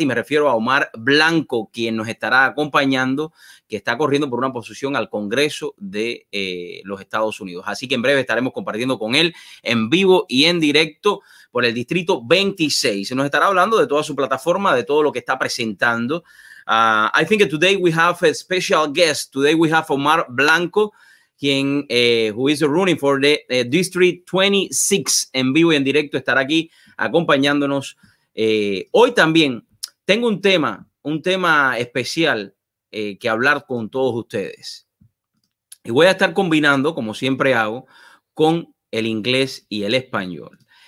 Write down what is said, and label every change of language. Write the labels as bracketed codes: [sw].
[es] Y me refiero a Omar Blanco, quien nos estará acompañando, que está corriendo por una posición al Congreso de los Estados Unidos. Así que en breve estaremos compartiendo con él en vivo y en directo por el Distrito 26. Nos estará hablando de toda su plataforma, de todo lo que está presentando. [en] I think today we have a special guest. Today we have Omar Blanco, quien who is running for the District 26. [es] En vivo y en directo estará aquí acompañándonos. Hoy también tengo un tema especial que hablar con todos ustedes. Y voy a estar combinando, como siempre hago, con el inglés y el español.